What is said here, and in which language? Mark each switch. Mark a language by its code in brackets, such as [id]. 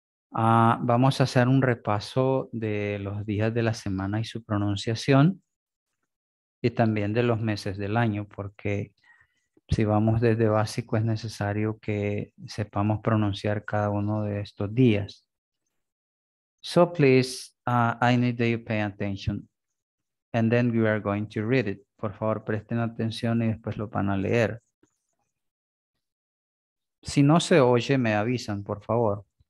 [es] Vamos a hacer un repaso de los días de la semana y su pronunciación. Y también de los meses del año, porque si vamos desde básico es necesario que sepamos pronunciar cada uno de estos días. [en] So please, I need that you pay attention. And then we are going to read it. [es] Por favor, presten atención y después lo van a leer. Si no se oye, me avisan, por favor.